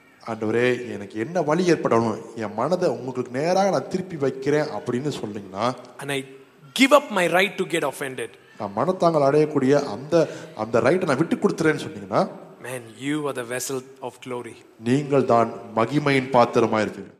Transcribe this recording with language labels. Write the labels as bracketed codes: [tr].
[ta] ஆண்டவரே, எனக்கு என்ன வழி ஏற்படணும், என் மனதை உங்களுக்கு நேராக நான் திருப்பி வைக்கிறேன் அப்படின்னு சொன்னீங்கன்னா, [en] and I give up my right to get offended, [ta] நான் மனத்தாங்கள் அடையக்கூடிய அந்த ரைட்டை நான் விட்டு கொடுத்துறேன்னு சொன்னீங்கன்னா, [en] man, you are the vessel of glory, [ta] நீங்கள் தான் மகிமையின் பாத்திரமா இருப்பீங்க.